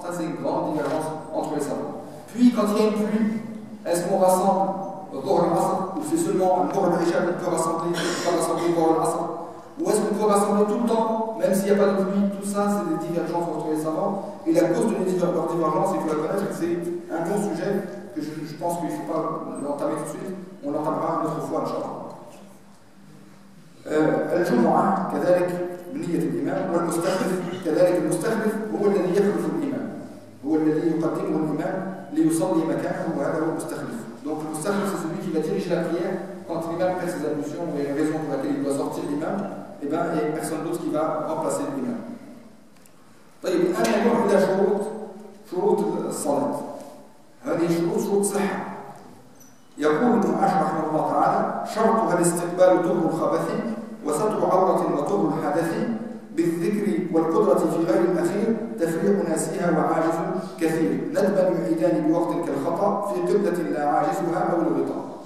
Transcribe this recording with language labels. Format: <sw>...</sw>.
<fr>Ça, c'est une grande divergence entre les savants. Puis, quand il y a une pluie, est-ce qu'on rassemble Dhuhr al-Asr ou c'est seulement le Dhuhr al-Isha qu'on peut rassembler, pas rassembler Dhuhr al-Asr ou est-ce qu'on peut rassembler tout le temps, même s'il n'y a pas de pluie, tout ça, c'est des divergences entre les savants. Et la cause de leur divergence, il faut la connaître, c'est un bon sujet que je pense qu'il ne faut pas l'entamer tout de suite. On l'entamera une autre fois, Inch'Allah.</fr> <ar>Al-Jumu'a, كذلك, بنيه الإمام, ou al-Mustakhlif, كذلك, al-Mustakhlif, هو الذي يخلف الإمام, هو الذي يقدمه الإمام. ليصلي مكانه وهذا هو المستخلف. دونك</ar> <fr>Moustache, c'est celui qui va diriger la prière quand l'imam fait ses ablutions et la raison pour laquelle il doit sortir l'imam, et bien il n'y a personne d'autre qui va remplacer l'imam.</fr> <ar>طيب انا نقول على شروط الصلاه هذه شروط صحه يقول ابن اشرح رحمه الله تعالى شرطها الاستقبال طهر الخبث وستر عوره وطهر الحدث بالذكر والقدره في غير الاخير تفريق ناسيها وعاجز كثير ندبا يعيدان بوقت كالخطا في قبله لا عاجزها او الغطاء</ar>